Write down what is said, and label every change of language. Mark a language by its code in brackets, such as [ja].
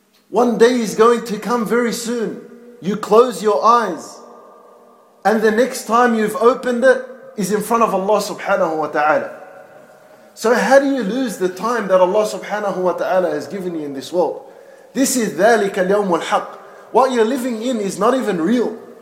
[en] One day is going to come very soon. You close your eyes and the next time you've opened it is in front of Allah subhanahu wa ta'ala. So how do you lose the time that Allah subhanahu wa ta'ala has given you in this world? [ar] This is ذَلِكَ الْيَوْمُ الْحَقِّ. [en] What you're living in is not even real.